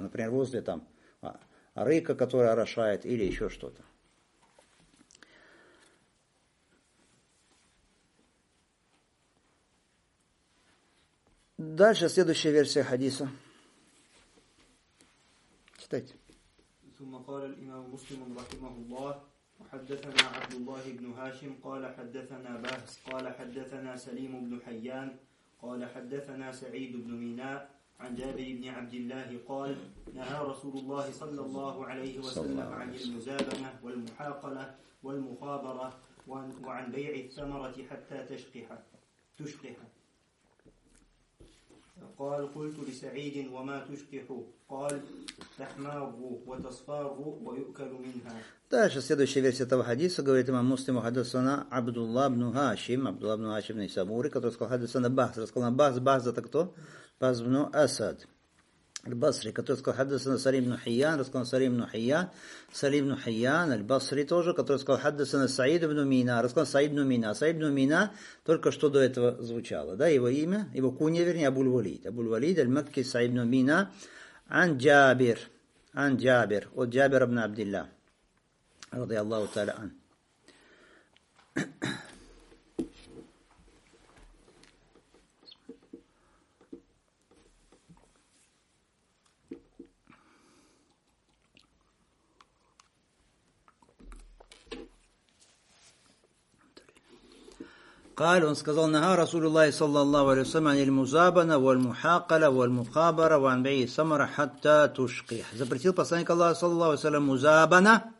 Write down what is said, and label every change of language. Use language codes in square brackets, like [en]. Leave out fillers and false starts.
[ru] Например, возле там арыка, которая орошает, или еще что-то. Дальше следующая версия хадиса. Читайте. [ar] ثم قال الإمام مسلم رحمه الله حدثنا عبد الله بن هاشم قال حدثنا بهز قال حدثنا سليم بن حيان قال حدثنا سعيد بن ميناء عن جابر بن عبد الله قال نهى رسول الله صلى الله عليه وسلم عن المزابنة والمحاقلة والمخابرة وعن بيع الثمرة حتى تشقها قال قلت لسعيد وما تشقح قال تحمر وتصفار ويؤكل منها. [ru] Дальше следующая версия этого хадиса говорит имам Муслим, хадасана Абдуллах ибн Хашим, Абдуллах ибн Хашим из Самури, который сказал хадасана Бахз, рассказал Бахз это кто? Бахз ибн Асад. Аль-Басри, который сказал хадасана Салим ибн Хиян, рассказал Салим ибн Хиян, Салим ибн Хиян, Аль-Басри тоже, который сказал хадасана Саид ибн Мина, рассказал Саид ибн Мина. Саид ибн Мина только что до этого звучало, да, его имя, его кунья, вернее, Абуль-Валид. Абуль-Валид, Аль-Макки, Саид ибн Мина, Ан-Джабир, Ан-Джабир, от Джабир ибн Абдилля. [ar] رضي الله تعالى عنه قال [ru] он сказал [ar] نهى رسول الله صلى الله عليه وسلم عن المزابنة والمحاقلة والمخابرة وعن بيع الثمر حتى تشقح [ru] запретил посланник Аллаха [ar] صلى الله عليه وسلم مزابنة.